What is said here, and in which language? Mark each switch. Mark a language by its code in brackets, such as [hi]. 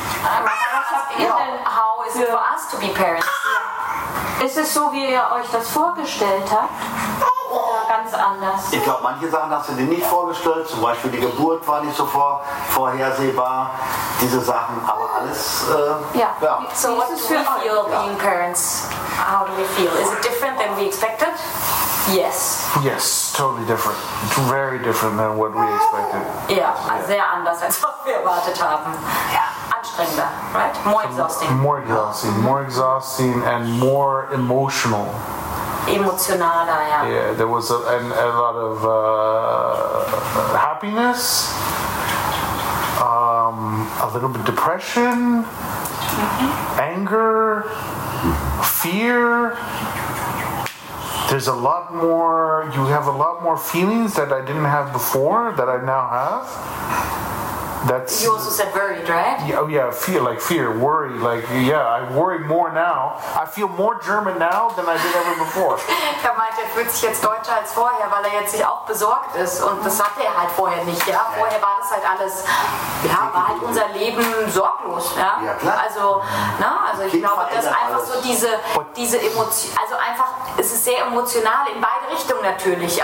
[de] Was habt ihr denn, [en] how is it for us to be parents? [de] Ist es so, wie ihr euch das vorgestellt habt? Ganz anders. Ich glaube, manche Sachen hast du dir nicht vorgestellt. Zum Beispiel die Geburt war nicht so vorhersehbar. Diese Sachen, aber alles. [en] So, what is it for you being parents? How do we feel? Is it different than we expected? Yes. Yes, totally different. It's very different than what we expected. [de] Sehr anders als was wir erwartet haben. Anstrengender, right? [en] More exhausting. More exhausting and more emotional. [de] Emotionaler, ja. [en] Yeah, there was a lot of happiness, a little bit depression, anger, fear. There's a lot more, you have a lot more feelings that I didn't have before that I now have. That's, you also said worried, right? Fear, worry. Like, yeah, I worry more now. I feel more German now than I did ever before. [de] Er meinte, er fühlt sich jetzt deutscher als vorher, weil er jetzt sich auch besorgt ist. Und das hatte er halt vorher nicht. Ja, vorher war das halt alles, ja, war halt unser Leben sorglos. Ja, ja, klar. Also, na, also ich glaube, das ist einfach so diese Emotion. Also einfach, es ist sehr emotional in beide Richtungen natürlich.